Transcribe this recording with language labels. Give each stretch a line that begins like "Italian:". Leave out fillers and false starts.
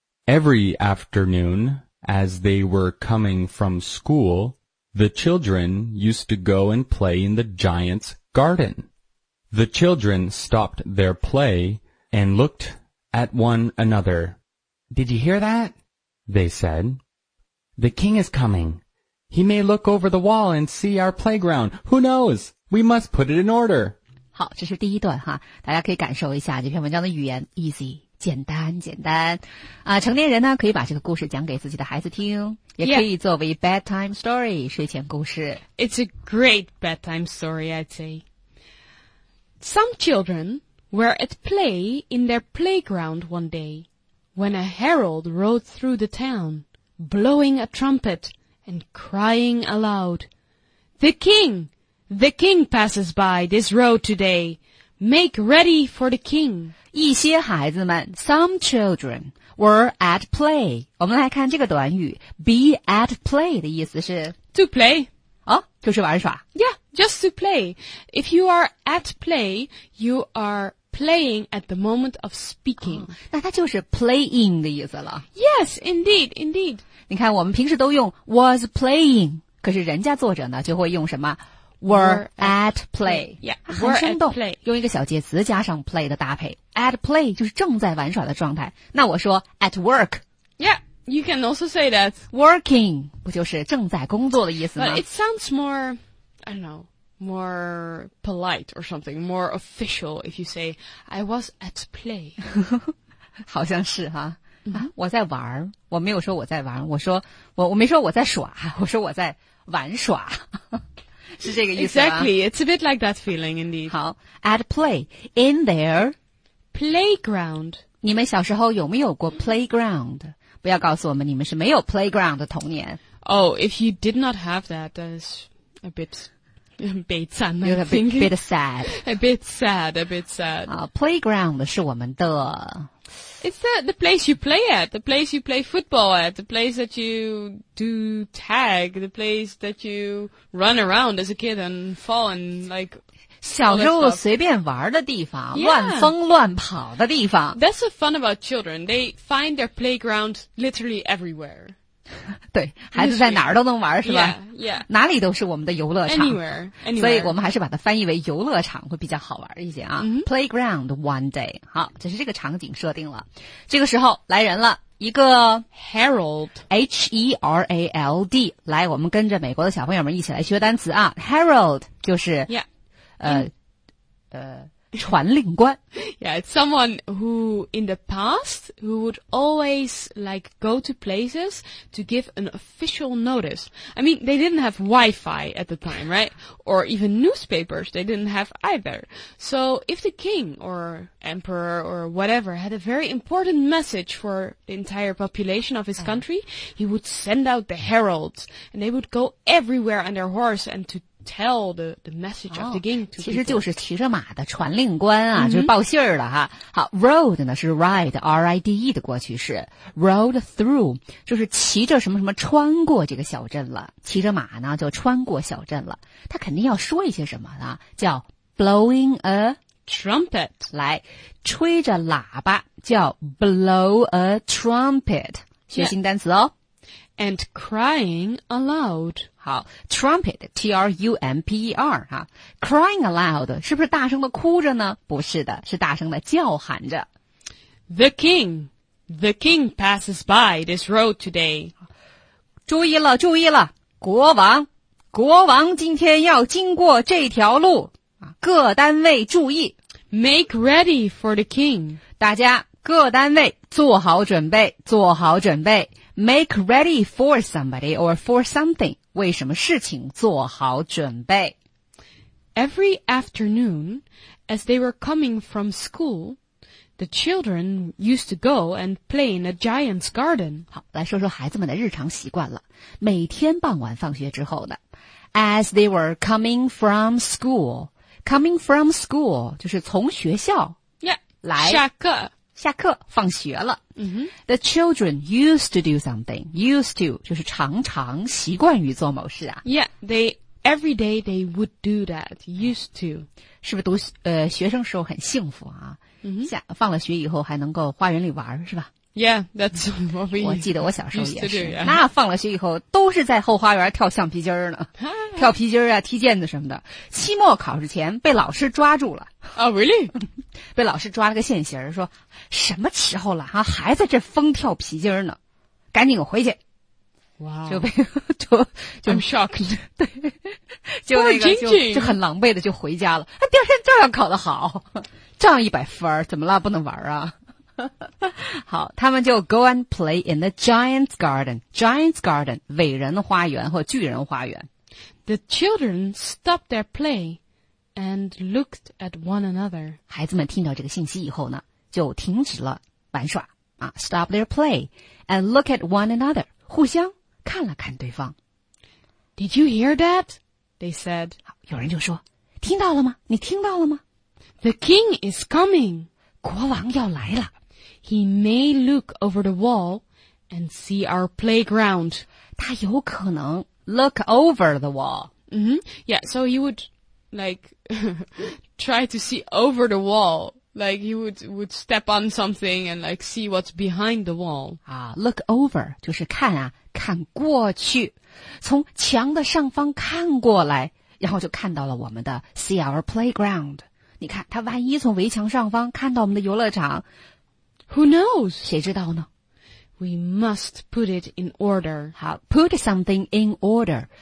English: Every afternoon, as they were coming from school, the children used to go and play in the giant's garden. The children stopped their play and looked at one another. Did you hear that? They said. The king is coming. He may look over the wall and see our playground. Who knows? We must put it in order.
Chinese: 好，这是第一段哈，大家可以感受一下这篇文章的语言 easy, 简单简单。啊，成年人呢可以把这个故事讲给自己的孩子听，也可以作为
English: bedtime story,
Chinese: 睡前故事。
English: It's a great bedtime story, I'd say. Some children... were at play in their playground one day, when a herald rode through the town, blowing a trumpet and crying aloud, the king passes by this road today, make ready for the king.
Chinese: 一些孩子们
English: some children, were at play.
Chinese: 我们来看这个短语
English: be at play
Chinese: 的意思是
English: to play.
Chinese: 就是玩耍。
English: Yeah, just to play. If you are at play, you areplaying at the moment of speaking.、
Chinese: 那它就是 playing 的意思了。
English: Yes, indeed, indeed.
Chinese: 你看我们平时都用
English: was playing,
Chinese: 可是人家作者呢就会用什么
English: were at play. Yeah,
Chinese: 很生动。用一个小介词加上 play 的搭配。
English: At play
Chinese: 就是正在玩耍的状态。那我说
English: at work. Yeah, you can also say that.
Chinese: Working 不就是正在工作的意思吗？
English: But it sounds more, I don't know. More polite or something, more official if you say, I was at play.
Chinese: 好像是哈、mm-hmm. 啊、我在玩，我没有说我在玩，我说我没说我在耍，我说我在玩耍。是这个意思吗？
English: Exactly, it's a bit like that feeling indeed. 好 at play, in their playground.
Chinese: 你们小时候有没有过 playground? 不要告诉我们你们是没有 playground 的童年。
English: Oh, if you did not have that, that is a bit...
Chinese: 悲惨
English: A bit sad.
Chinese: Playground 是我们的
English: It's the place you play at, the place you play football at, the place that you do tag, the place that you run around as a kid and fall and like
Chinese: 小时候随便玩的地方、
English: yeah.
Chinese: 乱疯乱跑的地方
English: That's the fun about children, they find their playground literally everywhere
Chinese: 对孩子在哪儿都能玩是吧
English: yeah, yeah.
Chinese: 哪里都是我们的游乐场
English: anywhere, anywhere.
Chinese: 所以我们还是把它翻译为游乐场会比较好玩一些啊、 mm-hmm.
English: Playground one day
Chinese: 好这是这个场景设定了这个时候来人了一个
English: Herald
Chinese: H-E-R-A-L-D 来我们跟着美国的小朋友们一起来学单词啊 Herald 就是 传令官
English: Yeah, it's someone who in the past who would always like go to places to give an official notice. I mean, they didn't have Wi-Fi at the time, right? Or even newspapers, they didn't have either. So if the king or emperor or whatever had a very important message for the entire population of his country, he would send out the heralds and they would go everywhere on their horse and toTell the message of the king to people.
Chinese: 其实就是骑着马的传令官啊、mm-hmm. 就是报信儿的哈。好 ,road 呢是 ride, R-I-D-E 的过去式。
English: Road through,
Chinese: 就是骑着什么什么穿过这个小镇了。骑着马呢就穿过小镇了。他肯定要说一些什么呢叫
English: blowing a trumpet.
Chinese: 来吹着喇叭叫
English: blow a trumpet.
Chinese: 学新单词哦。
English: Yeah. and crying aloud.
Chinese: 好 ,trumpet, T-R-U-M-P-E-R, 哈
English: crying aloud,
Chinese: 是不是大声的哭着呢？不是的，是大声的叫喊着。
English: The king passes by this road today.
Chinese: 注意了，注意了，国王今天要经过这条路。各单位注意。
English: Make ready for the king.
Chinese: 大家各单位做好准备，做好准备。
English: Make ready for somebody or for something.
Chinese: 为什么事情做好准备。
English: Every afternoon, as they were coming from school, the children used to go and play in a giant's garden.
Chinese: 好，来说说孩子们的日常习惯了。每天傍晚放学之后呢 ,
English: as they were coming from school,
Chinese: Coming from school, 就是从学校
English: yeah,
Chinese: 来下课放学了。 Mm-hmm.
English: The children used to do something. Used to,
Chinese: 就是常常习惯于做某事啊。
English: Yeah, every day they would do that, used to.
Chinese: 是不是读学生时候很幸福啊、 mm-hmm. 放了学以后还能够花园里玩是吧
English: ?Yeah, that's what we
Chinese: 我记得我小时候也是。
English: Do, yeah.
Chinese: 那放了学以后都是在后花园跳橡皮筋呢。跳皮筋啊，踢毽子什么的。期末考试前被老师抓住了。
English: Oh, really?
Chinese: 被老师抓了个现行说什么时候了啊还在这疯跳皮筋呢。赶紧回去。
English: Wow.
Chinese: 就
English: I'm shocked.
Chinese: 对。就那个 就很狼狈的就回家了。啊第二天照样考得好。照样100分怎么了不能玩啊。好他们就
English: go and play in the giant's garden.
Chinese: Giant's garden, 伟人花园或巨人花园。
English: The children stopped their play and looked at one another.
Chinese: 孩子们听到这个信息以后呢就停止了玩耍。
English: Stop their play and look at one another.
Chinese: 互相看了看对方。
English: Did you hear that? They said.
Chinese: 有人就说听到了吗你听到了吗
English: The king is coming.
Chinese: 国王要来了。
English: He may look over the wall and see our playground.
Chinese: 他有可能
English: Look over the wall. Mm-hmm. Yeah, so he would, like, try to see over the wall. Like, he would step on something and, like, see what's behind the wall. Look over,
Chinese: 就是看啊，看过去，从墙的上方看过来，然后就看到了我们的
English: see our playground.
Chinese: 你看，他万一从围墙上方看到我们的游乐场
English: ,Who knows?
Chinese: 谁知道呢？
English: We must put it in order. 好 ,put something in order.